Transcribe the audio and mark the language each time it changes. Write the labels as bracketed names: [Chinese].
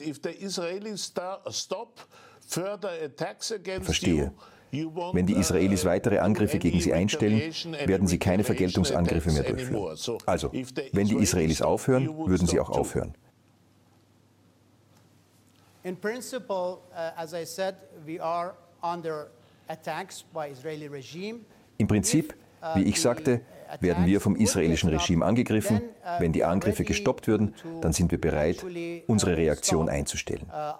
[English] If the Israelis stop further attacks against you, [German] verstehe. Wenn die Israelis weitere Angriffe gegen Sie einstellen, werden Sie keine Vergeltungsangriffe mehr durchführen. Also, wenn die Israelis aufhören, würden Sie auch aufhören. [English] In principle, as I said, we are under attacks by Israeli regime. [German] Im Prinzip, wie ich sagte, werden wir vom israelischen Regime angegriffen. Wenn die Angriffe gestoppt würden, dann sind wir bereit, unsere Reaktion einzustellen.